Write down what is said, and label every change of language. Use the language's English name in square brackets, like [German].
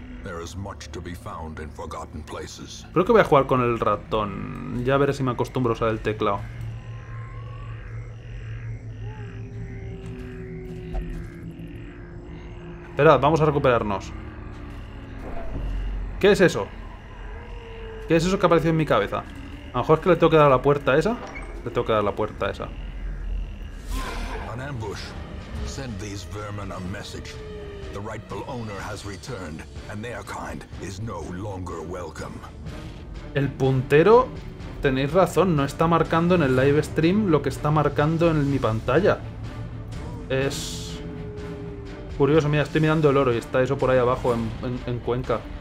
[English] There is much to be found in forgotten places. [Spanish] Creo que voy a jugar con el ratón. Ya veré si me acostumbro a usar el teclado. Esperad, vamos a recuperarnos. ¿Qué es eso? ¿Qué es eso que apareció en mi cabeza? A lo mejor es que le tengo que dar a la puerta esa. Le tengo que dar a la puerta esa. [English] An ambush. Send these vermin a message. The rightful owner has returned, and their kind is no longer welcome. [Spanish] El puntero, tenéis razón, no está marcando en el live stream lo que está marcando en mi pantalla. Es curioso, mira, estoy mirando el oro y está eso por ahí abajo en cuenca.